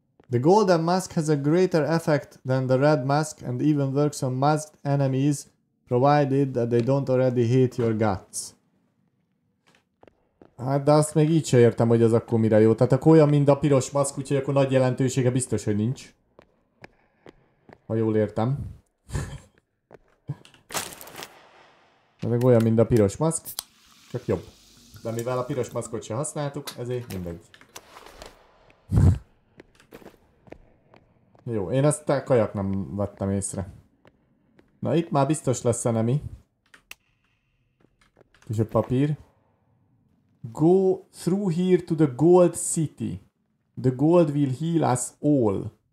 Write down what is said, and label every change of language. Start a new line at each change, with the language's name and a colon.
English: The golden mask has a greater effect than the red mask and even works on masked enemies provided that they don't already hate your guts.
Hungarian: Hát de azt még így sem értem, hogy az akkor mire jó. Tehát akkor olyan, mint a piros maszk, úgyhogy akkor nagy jelentősége biztos, hogy nincs. Ha jól értem. Tehát olyan, mint a piros maszk, csak jobb. De mivel a piros maszkot sem használtuk, ezért mindegy. Jó, én ezt a kajak nem vettem észre. Na itt már biztos lesz enemy. És a papír.
English: Go through here to the gold city. The gold will heal us all.